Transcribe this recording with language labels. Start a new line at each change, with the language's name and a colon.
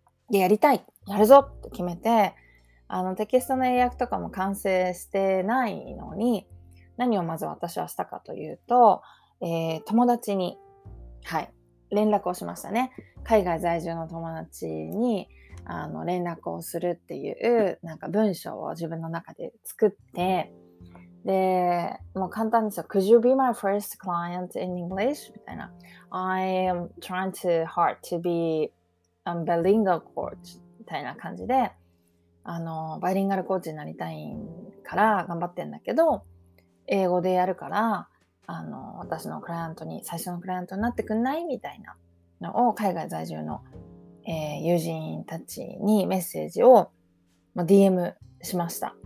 Japanese: で、やりたい、やるぞって決めて、テキストの英訳とかも完成してないのに、何をまず私はしたかというと、友達に、はい、連絡をしましたね。海外在住の友達に、連絡をするっていう、なんか文章を自分の中で作って、で、もう簡単ですよ。
English: Could you be my first client in English?
Japanese: みたいな。
English: I am trying too hard to be a bilingual coach.
Japanese: みたいな感じで、バイリンガルコーチになりたいから頑張ってんだけど、英語でやるから、私のクライアントに、最初のクライアントになってくんない? みたいなのを、海外在住の友人たちにメッセージを DM しました。